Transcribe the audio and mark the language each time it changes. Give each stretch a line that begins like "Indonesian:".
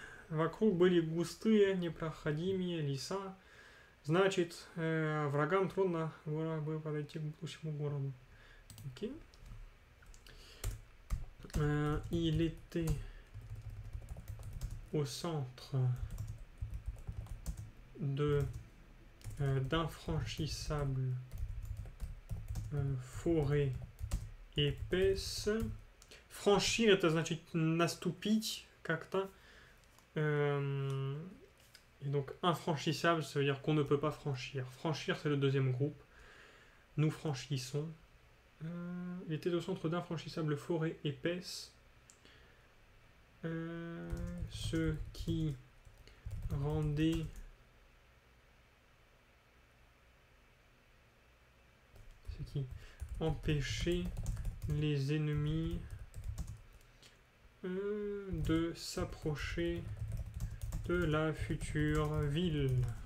Russian: Вокруг были густые, непроходимые леса. Значит, врагам трудно было подойти к всему городу. Okay.
French: Il était au centre d'infranchissables forêts épaisses.
Russian: Franchir, это значит наступить.
French: Et donc infranchissable, ça veut dire qu'on ne peut pas franchir. Franchir, c'est le deuxième groupe. Nous franchissons. Il était au centre d'infranchissables forêts épaisses, ce qui rendait ce qui empêchait les ennemis de s'approcher de la future ville.